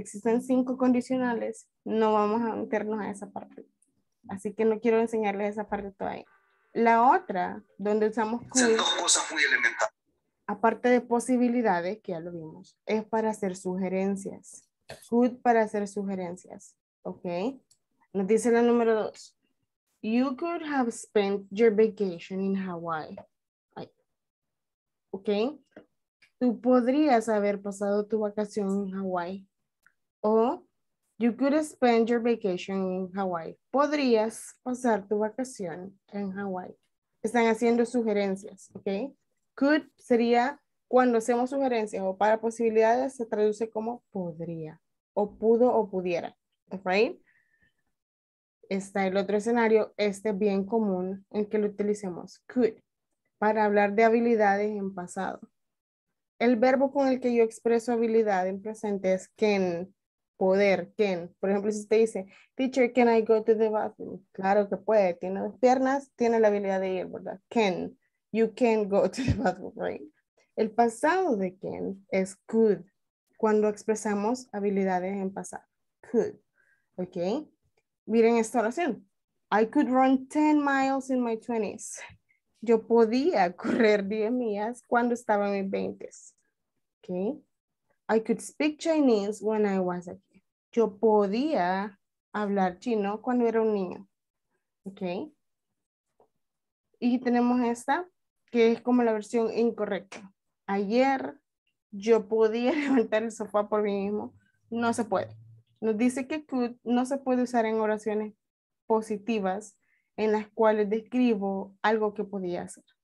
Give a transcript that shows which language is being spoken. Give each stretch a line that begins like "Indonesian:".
Spanish: Existen 5 condicionales. No vamos a meternos a esa parte. Así que no quiero enseñarles esa parte todavía. La otra, donde usamos con... Son 2 cosas muy elementales. Aparte de posibilidades, que ya lo vimos, es para hacer sugerencias. Could para hacer sugerencias, ¿ok? Nos dice la número 2.
English: You could have spent your vacation in Hawaii.
Spanish: Ay. ¿Ok? Tú podrías haber pasado tu vacación en Hawaii.
English: O you could spend your vacation in Hawaii.
Spanish: Podrías pasar tu vacación en Hawaii. Están haciendo sugerencias, ¿ok? Could sería cuando hacemos sugerencias o para posibilidades se traduce como podría. O pudo o pudiera, right? Está el otro escenario, este bien común, en que lo utilicemos, could, para hablar de habilidades en pasado. El verbo con el que yo expreso habilidad en presente es can, poder, can. Por ejemplo, si usted dice,
English: teacher, can I go to the bathroom?
Spanish: Claro que puede, tiene dos piernas, tiene la habilidad de ir, ¿verdad?
English: Can, you can go to the bathroom, right?
Spanish: El pasado de can es could. Cuando expresamos habilidades en pasado. Could. ¿Ok? Miren esta oración.
English: I could run 10 miles in my 20s.
Spanish: Yo podía correr 10 millas cuando estaba en mis 20s. ¿Ok?
English: I could speak Chinese when I was a kid.
Spanish: Yo podía hablar chino cuando era un niño. ¿Ok? Y tenemos esta, que es como la versión incorrecta. Ayer... Yo podía levantar el sofá por mí mismo. No se puede. Nos dice que could no se puede usar en oraciones positivas en las cuales describo algo que podía hacer.